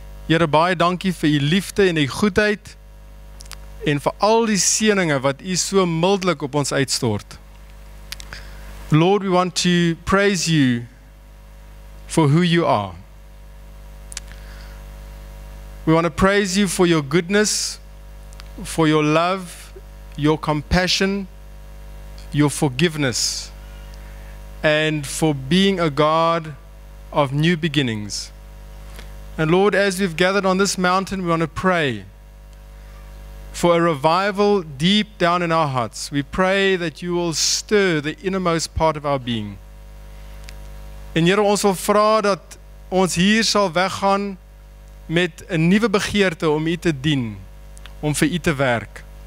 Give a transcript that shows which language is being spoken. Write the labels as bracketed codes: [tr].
[af] Here, baie dankie vir u liefde en u goedheid en vir al die seëninge wat u so mildelik op ons uitstort. [en] Lord, we want to praise you for who you are. We want to praise you for your goodness, for your love, your compassion, your forgiveness, and for being a God of new beginnings. And Lord, as we've gathered on this mountain, we want to pray for a revival deep down in our hearts. We pray that you will stir the innermost part of our being. [af] En Here, ons wil vra dat ons hier sal weggaan met 'n nuwe begeerte om u te dien, om vir u te werk.